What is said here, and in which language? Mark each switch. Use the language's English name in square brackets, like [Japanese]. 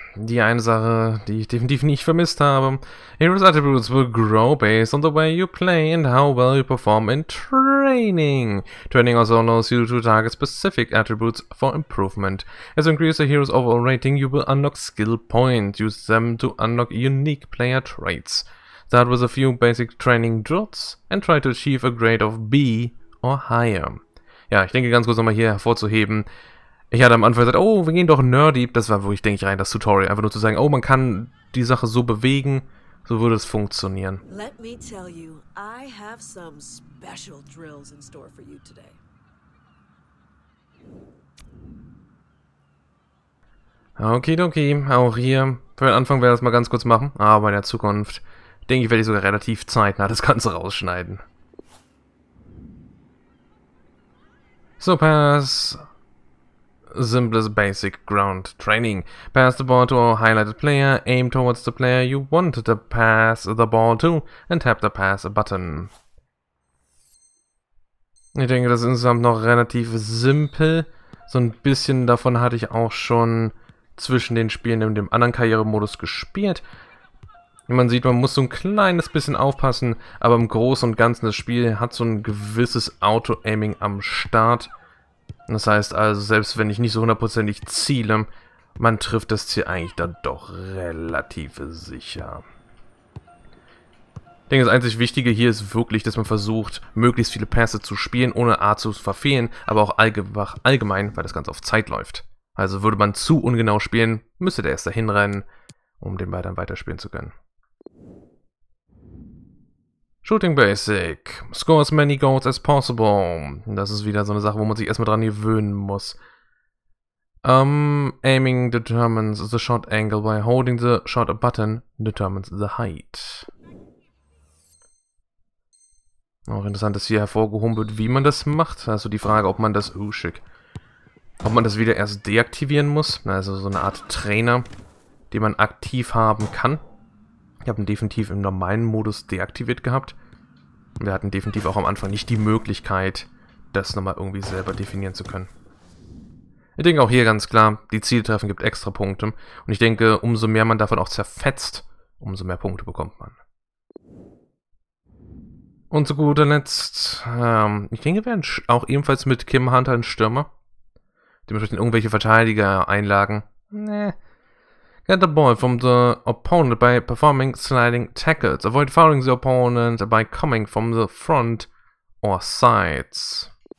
[German] Die eine Sache, die ich definitiv nicht vermisst habe. [English] Heroes attributes will grow based on the way you play and how well you perform in training. Training also allows you to target specific attributes for improvement. As you increase the hero's overall rating, you will unlock skill points. Use them to unlock unique player traits. Start with a few basic training drills and try to achieve a grade of B or higher. [German] Ja, ich denke ganz kurz nochmal hier hervorzuheben. Ich hatte am Anfang gesagt, oh, wir gehen doch Nerdy. Das war wirklich, denke ich, rein das Tutorial. Einfach nur zu sagen, oh, man kann die Sache so bewegen, so würde es funktionieren. [English] Let me tell you, I have some special drills in store for you today. [German] Okidoki, auch hier. Für den Anfang werde ich das mal ganz kurz machen. Aber in der Zukunft, denke ich, werde ich sogar relativ zeitnah das Ganze rausschneiden. [English] So, pass. Simplest basic ground training. Pass the ball to a highlighted player, aim towards the player you want to pass the ball to, and tap the pass button. [German] Ich denke, das ist insgesamt noch relativ simpel. So ein bisschen davon hatte ich auch schon zwischen den Spielen in dem anderen Karrieremodus gespielt. Man sieht, man muss so ein kleines bisschen aufpassen, aber im Großen und Ganzen das Spiel hat so ein gewisses Auto-Aiming am Start. Das heißt also, selbst wenn ich nicht so hundertprozentig ziele, man trifft das Ziel eigentlich dann doch relativ sicher. Ich denke, das einzig Wichtige hier ist wirklich, dass man versucht, möglichst viele Pässe zu spielen, ohne A zu verfehlen, aber auch allgemein, weil das Ganze auf Zeit läuft. Also würde man zu ungenau spielen, müsste der erst dahin rennen, um den Ball dann weiterspielen zu können. [English] Shooting Basic. Score as many goals as possible. [German] Das ist wieder so eine Sache, wo man sich erstmal dran gewöhnen muss. [English] Aiming determines the shot angle by holding the shot button determines the height. [German] Auch interessant, dass hier hervorgehoben wird, wie man das macht. Also die Frage, ob man das, ob man das wieder erst deaktivieren muss. Also so eine Art Trainer, den man aktiv haben kann. Ich habe ihn definitiv im normalen Modus deaktiviert gehabt. Wir hatten definitiv auch am Anfang nicht die Möglichkeit, das nochmal irgendwie selber definieren zu können. Ich denke auch hier ganz klar, die Ziele treffen gibt extra Punkte. Und ich denke, umso mehr man davon auch zerfetzt, umso mehr Punkte bekommt man. Und zu guter Letzt, ich denke, wir werden auch ebenfalls mit Kim Hunter ein Stürmer. Dementsprechend irgendwelche Verteidiger-Einlagen. Nee. [English] Get the ball from the opponent by performing sliding tackles. Avoid fouling the opponent by coming from the front or sides.